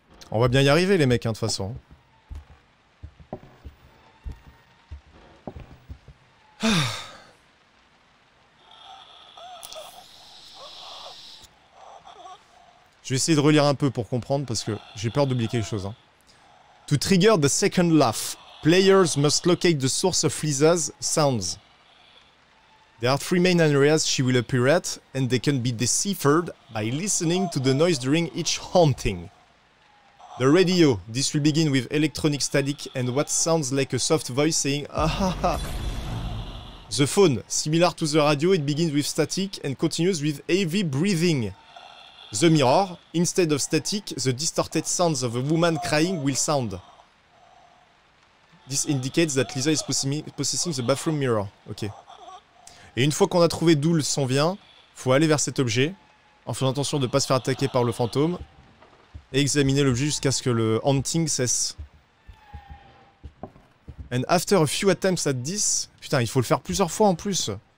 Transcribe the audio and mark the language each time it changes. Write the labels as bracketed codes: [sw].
[fr] On va bien y arriver, les mecs, de toute façon. Je vais essayer de relire un peu pour comprendre, parce que j'ai peur d'oublier quelque chose. Hein. [en] To trigger the second laugh, players must locate the source of Lisa's sounds. There are three main areas she will appear at, and they can be deciphered by listening to the noise during each haunting. The radio. This will begin with electronic static and what sounds like a soft voice saying ah ha ha. The phone. Similar to the radio, it begins with static and continues with heavy breathing. The mirror. Instead of static, the distorted sounds of a woman crying will sound. This indicates that Lisa is possessing the bathroom mirror. Ok. [fr] Et une fois qu'on a trouvé d'où le son vient, faut aller vers cet objet, en faisant attention de ne pas se faire attaquer par le fantôme, et examiner l'objet jusqu'à ce que le haunting cesse. [en] And after a few attempts at this... [fr] Putain, il faut le faire plusieurs fois en plus.